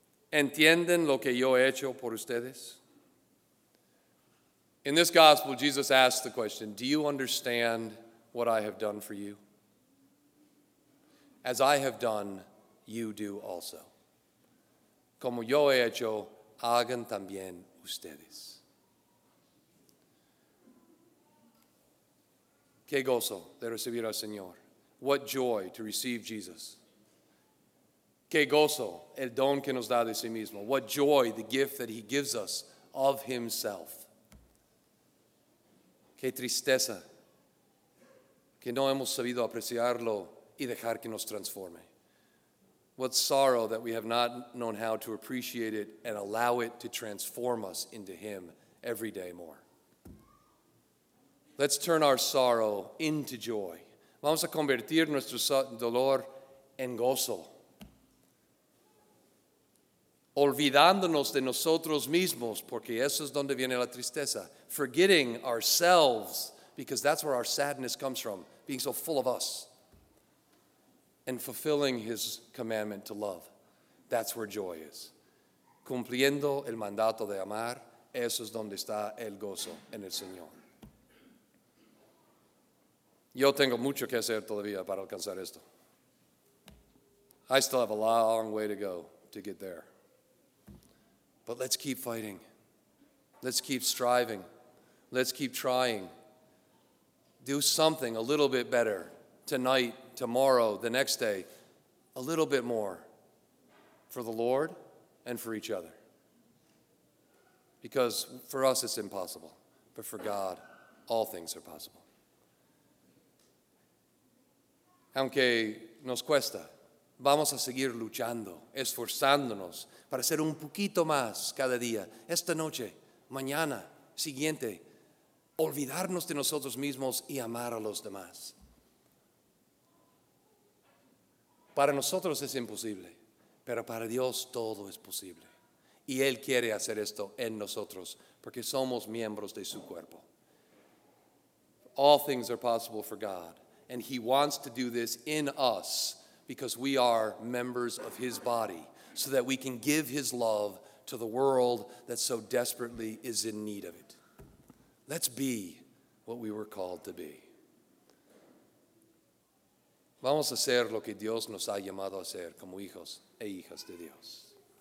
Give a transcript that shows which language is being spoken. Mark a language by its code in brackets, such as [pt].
[es] ¿Entienden lo que yo he hecho por ustedes? [en] In this gospel, Jesus asks the question, do you understand what I have done for you? As I have done, you do also. [es] Como yo he hecho, hagan también ustedes. Qué gozo de recibir al Señor. [en] What joy to receive Jesus. [es] Qué gozo el don que nos da de sí mismo. [en] What joy the gift that he gives us of himself. [es] Qué tristeza que no hemos sabido apreciarlo y dejar que nos transforme. [en] What sorrow that we have not known how to appreciate it and allow it to transform us into him every day more. Let's turn our sorrow into joy. [es] Vamos a convertir nuestro dolor en gozo. Olvidándonos de nosotros mismos, porque eso es donde viene la tristeza. [en] Forgetting ourselves, because that's where our sadness comes from, being so full of us. And fulfilling his commandment to love. That's where joy is. [es] Cumpliendo el mandato de amar, eso es donde está el gozo en el Señor. Yo tengo mucho que hacer todavía para alcanzar esto. [en] I still have a long way to go to get there. But let's keep fighting. Let's keep striving. Let's keep trying. Do something a little bit better tonight, tomorrow, the next day, a little bit more for the Lord and for each other. Because for us it's impossible, but for God all things are possible. [es] Aunque nos cuesta, vamos a seguir luchando, esforzándonos para ser un poquito más cada día, esta noche, mañana, siguiente, olvidarnos de nosotros mismos y amar a los demás. Para nosotros es imposible, pero para Dios todo es posible. Y Él quiere hacer esto en nosotros, porque somos miembros de su cuerpo. [en] All things are possible for God, and He wants to do this in us because we are members of His body, so that we can give His love to the world that so desperately is in need of it. Let's be what we were called to be. [es] Vamos a hacer lo que Dios nos ha llamado a hacer como hijos e hijas de Dios.